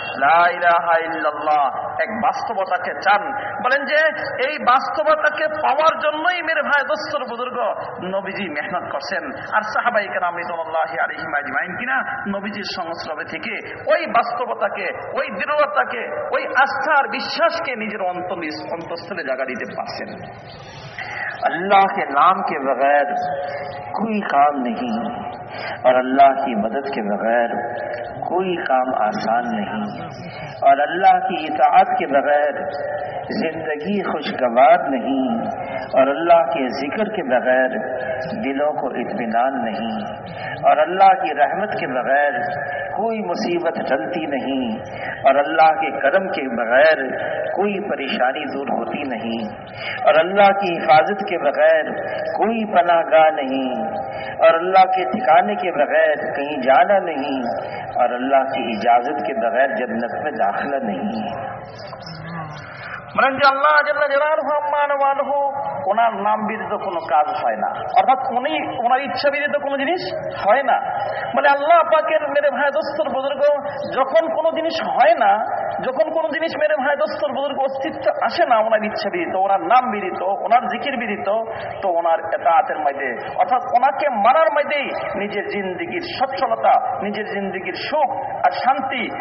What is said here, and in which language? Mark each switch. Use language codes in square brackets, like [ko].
[bn] লা ইলাহা ইল্লাল্লাহ এক বাস্তবতাকে চান, বলেন যে এই বাস্তবতাকে পাওয়ার জন্যই [ur] মেরে ভাই দস্তর বুজুর্গ [bn] নবীজি মেহনত করছেন, আর সাহাবাই কেরাম রিদওয়ানুল্লাহি আলাইহিম আজমাইন কিনা নবীজির সংস্রবে থেকে ওই বাস্তবতাকে, ওই দৃঢ়তাকে, ওই আস্থা আর বিশ্বাসকে নিজের অন্তঃস্থলে জায়গা দিতে পারছেন. [ur] اللہ کے نام کے بغیر کوئی کام نہیں, اور اللہ کی مدد کے بغیر کوئی کام آسان نہیں, اور اللہ کی اطاعت کے بغیر زندگی خوشگوار نہیں, اور اللہ کے ذکر کے بغیر دلوں کو اطمینان نہیں, اور اللہ کی رحمت کے بغیر کوئی مصیبت ٹلتی نہیں, اور اللہ کے کرم کے بغیر کوئی پریشانی دور ہوتی نہیں, اور اللہ کی حفاظت کے بغیر کوئی پناہ گاہ نہیں, اور اللہ کے ٹھکانے کے بغیر کہیں جانا نہیں, اور اللہ کی اجازت کے بغیر جنت میں داخلہ نہیں. [bn] মানে আল্লাহ জল্লা জালালুহু আম্মা ওয়ালহু ওনার নাম ব্যতীত কোনো কাজ হয় না, অর্থাৎ উনি ওনার ইচ্ছা ব্যতীত কোনো জিনিস হয় না. মানে আল্লাহ পাকের [ur] মেরে ভাই দোস্তর বুজুর্গ [bn] যখন কোনো জিনিস হয় না, যখন কোনো জিনিস মেরে ভাই দোস্তর বুজুর্গ অস্তিত্ব আসে না ওনার ইচ্ছা ব্যতীত, ওনার নাম ব্যতীত, ওনার জিকির ব্যতীত, তো ওনার এতাতের মধ্যে অর্থাৎ ওনাকে মানার মধ্যেই নিজের জিন্দগির সচ্ছলতা, নিজের জিন্দগির সুখ আর শান্তি.